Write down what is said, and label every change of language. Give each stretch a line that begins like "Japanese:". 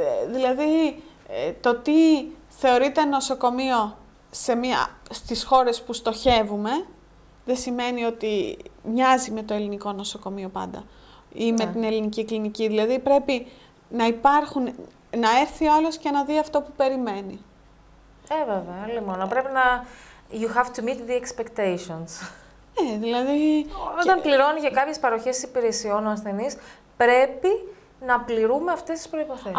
Greek: Δηλαδή, το τι θεωρείται νοσοκομείο στις χώρες που στοχεύουμε, δεν σημαίνει ότι μοιάζει με το ελληνικό νοσοκομείο πάντα ή ναι. με την ελληνική κλινική. Δηλαδή πρέπει να υπάρχουν, να έρθει ο άλλος και να δει αυτό που περιμένει. Βέβαια, λοιπόν, πρέπει να...
English: You have to meet the expectations.
Greek: Δηλαδή... Όταν πληρώνει για κάποιες παροχές υπηρεσιών ο ασθενής, πρέπει να πληρούμε αυτές τις προϋποθέσεις.